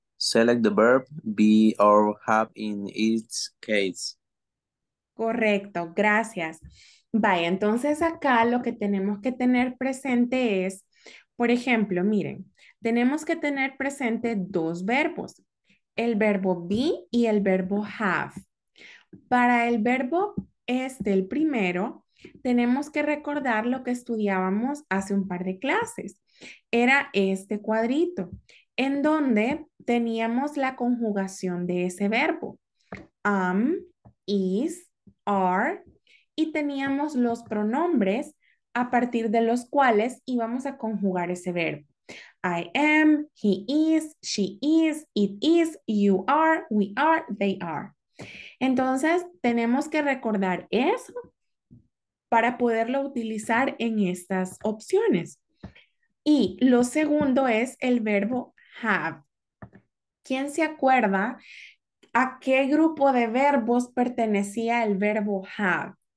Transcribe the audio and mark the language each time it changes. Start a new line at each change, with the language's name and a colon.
English: Select the verb be or have in its case.
Spanish: Correcto, gracias. Vaya, entonces acá lo que tenemos que tener presente es, por ejemplo, miren, tenemos que tener presente dos verbos, el verbo be y el verbo have. Para el verbo este, el primero, tenemos que recordar lo que estudiábamos hace un par de clases. Era este cuadrito, en donde teníamos la conjugación de ese verbo.
English: Am, is, are,
Spanish: y teníamos los pronombres a partir de los cuales íbamos a conjugar ese verbo.
English: I am, he is, she is, you are, they are.
Spanish: Entonces, tenemos que recordar eso para poderlo utilizar en estas opciones. Y lo segundo es el verbo have. ¿Quién se acuerda a qué grupo de verbos pertenecía el verbo have?